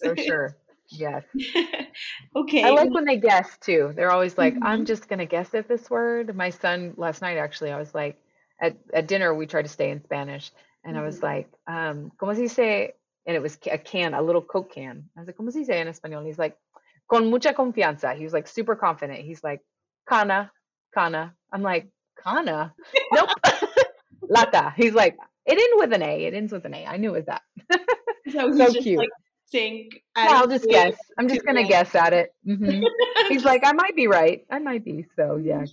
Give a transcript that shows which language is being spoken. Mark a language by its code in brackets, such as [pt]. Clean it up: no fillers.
[en] For sure. Yes. Okay. I like when they guess too. They're always like, mm-hmm. I'm just going to guess at this word. My son last night, actually, I was like, at dinner, we tried to stay in Spanish. And mm-hmm. I was like, [es] ¿cómo se dice? [en] And it was a can, a little Coke can. I was like, [es] ¿cómo se dice en español? [en] And he's like, [es] con mucha confianza. [en] He was like super confident. He's like, cana, cana. I'm like, Kana? Nope. Lata. He's like, it ends with an A. It ends with an A. I knew it was that. So, he's so just cute. Like, think. Yeah, I'll just guess. I'm just going to guess at it. Mm-hmm. He's like, I might be right. I might be. So yeah.